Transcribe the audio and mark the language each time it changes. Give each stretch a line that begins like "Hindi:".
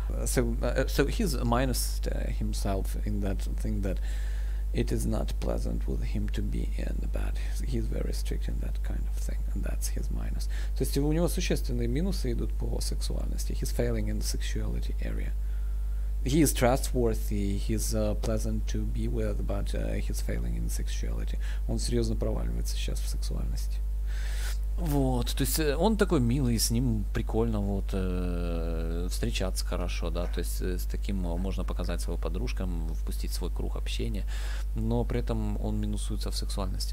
English: So he's minused himself in that thing that it is not pleasant with him to be in the bed. He's very strict in that kind of thing, and that's his minus.
Russian: То есть у него существенные минусы идут по сексуальности.
English: He's failing in the sexuality area. He is trustworthy, he's pleasant to be with, but he's failing in sexuality.
Russian: Он серьезно проваливается сейчас в сексуальности. Вот, то есть он такой милый, с ним прикольно вот встречаться хорошо, да, то есть с таким можно показать своим подружкам, впустить свой круг общения, но при этом он минусуется в сексуальности.